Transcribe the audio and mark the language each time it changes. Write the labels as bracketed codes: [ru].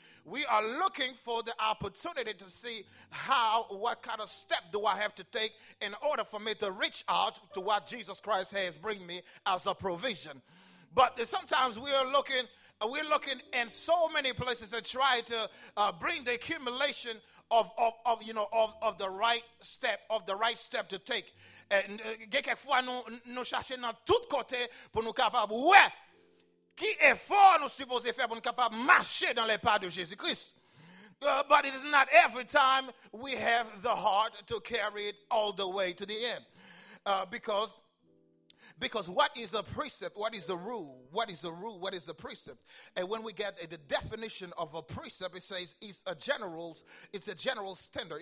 [en] We are looking for the opportunity to see what kind of step do I have to take in order for me to reach out to what Jesus Christ has bring me as a provision. But sometimes we're looking in so many places to try to bring the accumulation of the right step, of the right step to take. [fr] Et quelquefois nous cherchons dans tous côtés pour nous capables. Ouais. Qui effort nous supposons faire pour nous capables marcher dans les pas de Jésus Christ? [en] But it is not every time we have the heart to carry it all the way to the end. Because what is the precept? What is the rule? What is the rule? What is the precept? And when we get the definition of a precept, it says it's a general standard.